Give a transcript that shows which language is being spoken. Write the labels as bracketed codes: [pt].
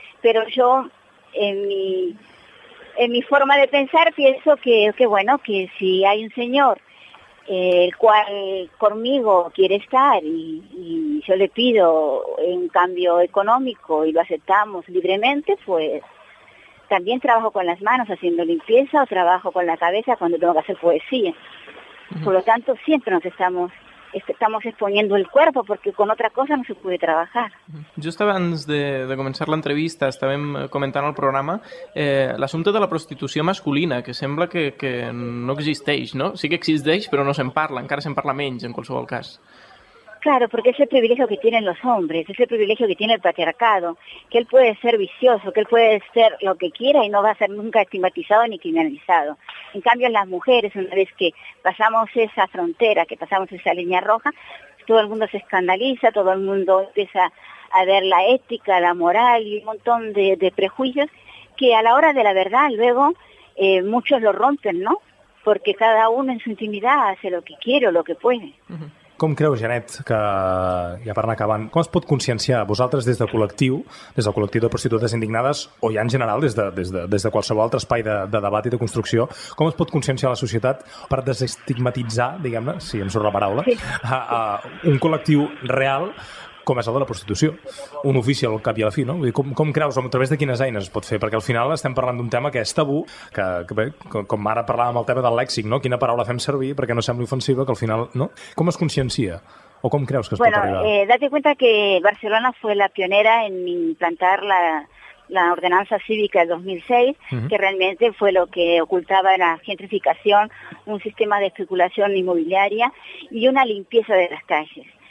[es] Pero yo, en mi forma de pensar, pienso que bueno, que si hay un señor, el cual conmigo quiere estar, y yo le pido un cambio económico y lo aceptamos libremente, pues también trabajo con las manos haciendo limpieza, o trabajo con la cabeza cuando tengo que hacer poesía. Por lo tanto, siempre nos estamos exponiendo el cuerpo porque con otra cosa no se puede trabajar. [ca] Just abans de començar l'entrevista estàvem comentant el programa l'assumpte de la prostitució masculina, que sembla que no existeix, no? Sí que existeix, però no se'n parla, encara se'n parla menys en qualsevol cas. [es] Claro, porque es el privilegio que tienen los hombres, es el privilegio que tiene el patriarcado, que él puede ser vicioso, que él puede ser lo que quiera y no va a ser nunca estigmatizado ni criminalizado. En cambio, las mujeres, una vez que pasamos esa frontera, que pasamos esa línea roja, todo el mundo se escandaliza, todo el mundo empieza a ver la ética, la moral y un montón de prejuicios que a la hora de la verdad luego muchos lo rompen, ¿no? Porque cada uno en su intimidad hace lo que quiere o lo que puede. Uh-huh. [ca] Com creus, Janet, que, ja per anar acabant, com es pot conscienciar vosaltres des del col·lectiu de prostitutes indignades, o ja en general des de qualsevol altre espai de debat i de construcció, com es pot conscienciar la societat per desestigmatitzar, diguem-ne, si em surt la paraula, a un col·lectiu real com és el de la prostitució, un ofici al cap i a la fi, no? Vull dir, com creus, a través de quines eines es pot fer? Perquè al final estem parlant d'un tema que és tabú, que bé, com ara parlàvem el tema del lèxic, no? Quina paraula fem servir perquè no sembli ofensiva, que al final, no? Com es consciencia? O com creus que es bueno, pot arribar? [es] Bueno, date cuenta que Barcelona fue la pionera en implantar la ordenanza cívica del 2006, que realmente fue lo que ocultaba la gentrificación, un sistema de especulación inmobiliaria y una limpieza de las calles.